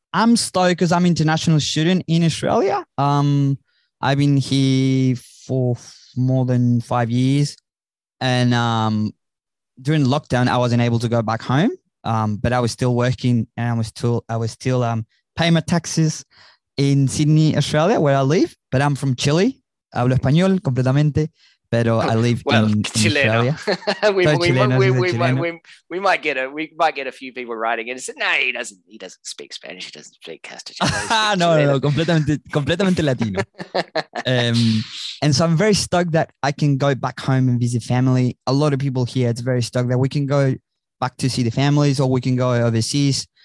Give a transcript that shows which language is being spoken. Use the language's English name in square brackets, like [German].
[English] I'm stoked because I'm an international student in Australia. I've been here for more than 5 years and during lockdown, I wasn't able to go back home, but I was still working and I was still paying my taxes in Sydney, Australia, where I live, but I'm from Chile. [Spanish] Hablo español completamente, pero [English] I live in Australia. We might get a few people writing in and say, no, he doesn't speak Spanish. He doesn't speak Castellano. [Spanish] No, completamente Latino. [English] And so I'm very stoked that I can go back home and visit family. A lot of people here, it's very stoked that we can go back to see the families or we can go overseas.